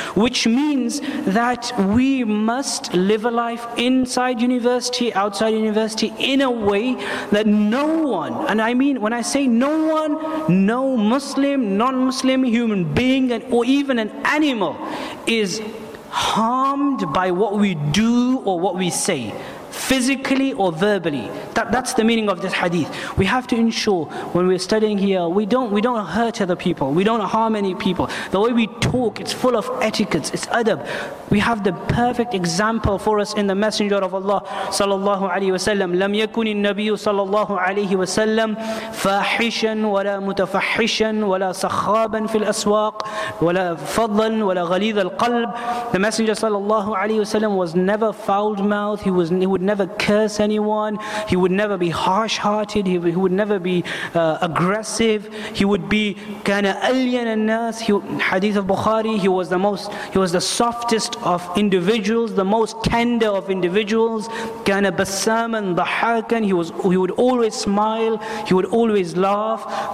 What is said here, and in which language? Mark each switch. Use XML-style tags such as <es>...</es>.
<en>Which means that we must live a life inside university, outside university, in a way that no one, and I mean when I say no one, no Muslim, non-Muslim human being, and or even an animal, is harmed by what we do or what we say, physically or verbally. That's the meaning of this hadith. We have to ensure when we're studying here, we don't hurt other people. We don't harm any people. The way we talk, it's full of etiquettes, it's adab. We have the perfect example for us in the Messenger of Allah sallallahu alaihi wasallam.</en> <ar>لم يكن النبي صلى الله عليه وسلم فاحشا ولا متفحشا ولا سخابا في الأسواق ولا فضلا ولا غليظ القلب.</ar> <en>The Messenger sallallahu alaihi wasallam was never foul-mouthed. He would never never curse anyone. He would never be harsh-hearted. He would never be aggressive. He would be kind of alien and nurse. Hadith of Bukhari, he was the softest of individuals, the most tender of individuals.</en> <ar>Kana basam</ar> <en>and dhahakan, he would always smile, he would always laugh.</en>